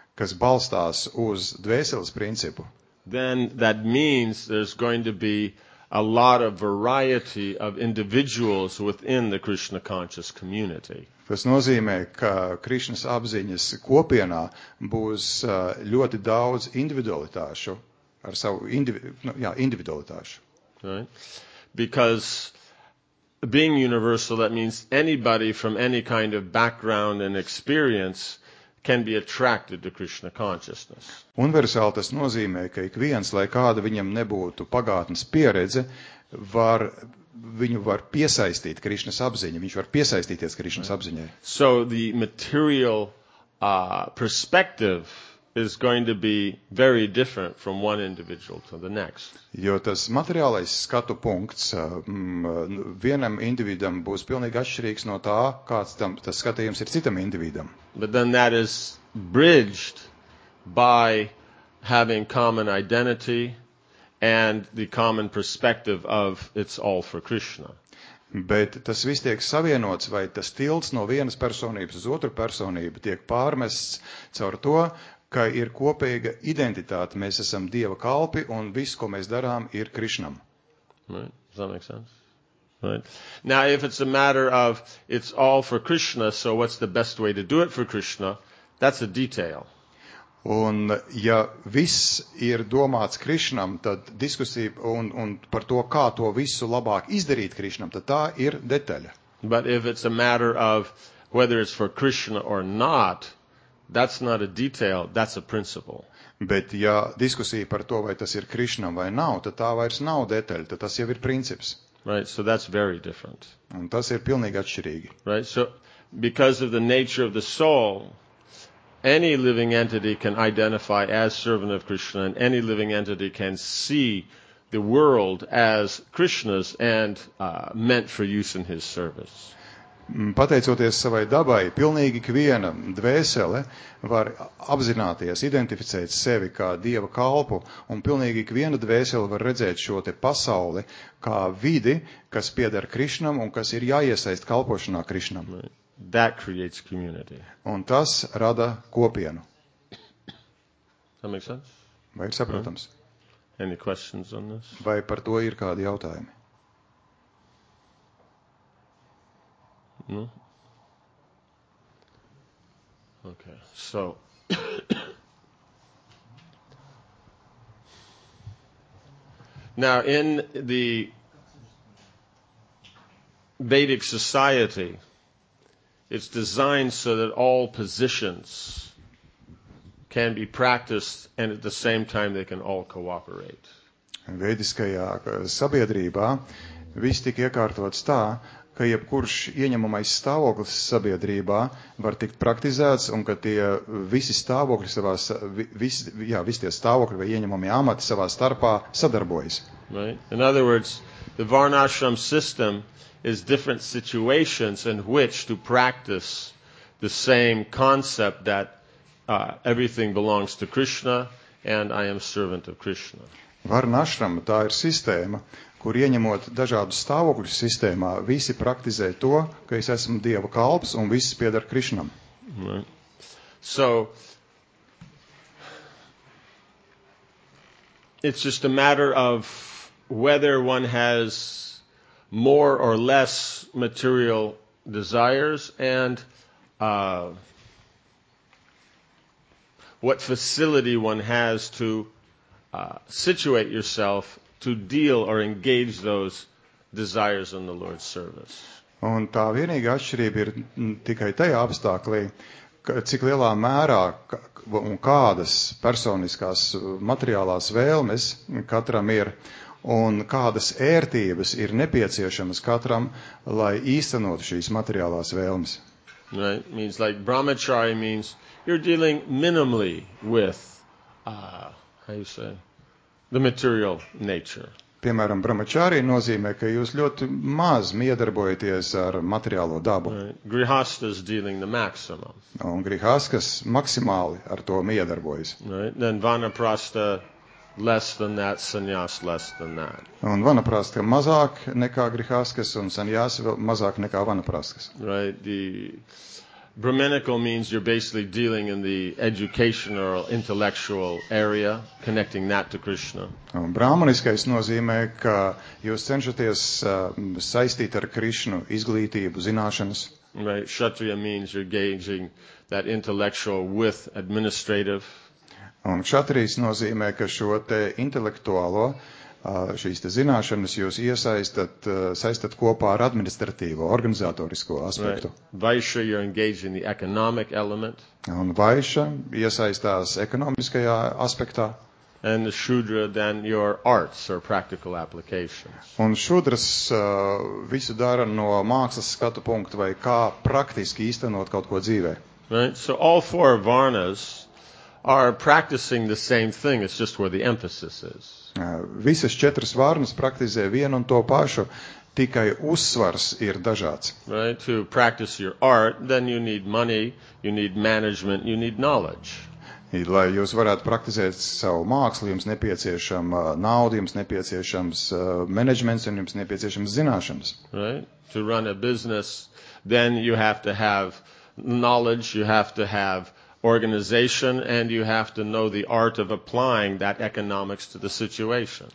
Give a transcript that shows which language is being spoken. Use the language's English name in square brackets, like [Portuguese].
[Latvian] Kas balstās uz dvēseles principu. [English] Then that means there's going to be a lot of variety of individuals within the Krishna conscious community. [Latvian] Tas nozīmē, ka Krishnas apziņas kopienā būs ļoti daudz individualitāšu ar savu individualitāšu. [English] Right? Because being universal, that means anybody from any kind of background and experience can be attracted to Krishna consciousness. [Latvian] Universāli tas nozīmē, ka ik viens, lai kāda viņam nebūtu pagātnes pieredze, var viņu var piesaistīt Krišnas apziņa, viņš var piesaistīties Krišnas apziņai. [English] So the material perspective is going to be very different from one individual to the next. [Latvian] Jo tas materiālais skatu punkts vienam individam būs pilnīgi atšķirīgs no tā, kāds tam tas skatījums ir citam individam. [English] But then that is bridged by having common identity and the common perspective of it's all for Krishna. [Latvian] Bet tas viss tiek savienots, vai tas tilts no vienas personības uz otru personību tiek pārmests caur to, ka ir kopīga identitāte, mēs esam Dieva kalpi, un viss, ko mēs darām, ir Krišnam. [English] Right, does that make sense? Right. Now, if it's a matter of, it's all for Krishna, so what's the best way to do it for Krishna, that's a detail. [Latvian] Un, ja viss ir domāts Krišnam, tad diskusija un par to, kā to visu labāk izdarīt Krišnam, tad tā ir detaļa. [English] But if it's a matter of, whether it's for Krishna or not, that's not a detail, that's a principle. [Latvian] Bet ja diskusija par to, vai tas ir Krišnam vai nav, tad tā vairs nav detaļa, tad tas jau ir princips. [English] Right, so that's very different. [Latvian] Un tas ir pilnīgi atšķirīgi. [English] Right, so because of the nature of the soul, any living entity can identify as servant of Krishna, and any living entity can see the world as Krishna's and meant for use in his service. [Latvian] Pateicoties savai dabai, pilnīgi ikviena dvēsele var apzināties, identificēt sevi kā Dieva kalpu, un pilnīgi ikviena dvēsele var redzēt šo te pasauli kā vidi, kas pieder Krišnam un kas ir jāiesaist kalpošanā Krišnam. [English] That creates community. [Latvian] Un tas rada kopienu. [English] That makes sense? [Latvian] Vai ir saprotams? [English] Any questions on this? [Latvian] Vai par to ir kādi jautājumi? [English] No. Okay. So now in the Vedic society, it's designed so that all positions can be practiced and at the same time they can all cooperate. [Latvian] Vediskajā sabiedrībā viss tika iekārtots tā, ka jebkurš ieņemamais stāvoklis sabiedrībā var tikt praktizēts un ka tie visi stāvokļi savās, visi tie stāvokļi vai ieņemamie amati savā starpā sadarbojas. [English] Right. In other words, the Varnashram system is different situations in which to practice the same concept that everything belongs to Krishna and I am servant of Krishna. [Latvian] Varnashram, tā ir sistēma, kur ieņemot dažādu stāvokļu sistēmā, visi praktizē to, ka es esmu Dieva kalps un viss pieder Krišnam. [English] Right. So, it's just a matter of whether one has more or less material desires and what facility one has to situate yourself to deal or engage those desires in the Lord's service. [Latvian] Un tā vienīga atšķirība ir tikai tajā apstāklī, ka cik lielā mērā un kādas personiskās materiālās vēlmes katram ir un kādas ērtības ir nepieciešamas katram, lai īstenotu šīs materiālās vēlmes. [English] Right, means like brahmacharya means you're dealing minimally with how you say the material nature. Piemēram, brahmacārī nozīmē, ka jūs ļoti maz miedarbojaties ar materiālo dabu. Right. Grihastas dealing the maximum. [Latvian] Un grihaskas maksimāli ar to miedarbojas. [English] Right. Then vanaprasta less than that, sanyas less than that. [Latvian] Un vanaprasta mazāk nekā grihaskas un sanyas vēl mazāk nekā vanaprastas. [English] Right. The brahminical means you're basically dealing in the educational or intellectual area, connecting that to Krishna. [Latvian] Un brahmaniskais nozīmē, ka jūs cenšaties saistīt ar Krišnu izglītību, zināšanas. [English] Right. Kshatriya means you're engaging that intellectual with administrative. [Latvian] Un kshatrijs nozīmē, ka šo te intelektuālo šīs te zināšanas jūs iesaistat, saistat kopā ar administratīvo, organizatorisko aspektu. [English] Vaiša, you're engaged in the economic element. [Latvian] Un vaiša iesaistās ekonomiskajā aspektā. [English] And the shudra, then your arts or practical applications. [Latvian] Un šudras visu dara no mākslas skatu punktu vai kā praktiski īstenot kaut ko dzīvē. [English] Right? So all four varnas are practicing the same thing, it's just where the emphasis is. [Latvian] Visas četras varnas praktizē vienu un to pašu, tikai uzsvars ir dažāds. [English] Right? To practice your art, then you need money, you need management, you need knowledge. [Latvian] Lai jūs varētu praktizēt savu mākslu, jums nepieciešama nauda, jums nepieciešams menedžments un jums nepieciešams zināšanas. [English] Right? To run a business, then you have to have knowledge, you have to have organization, and you have to know the art of applying that economics to the situation.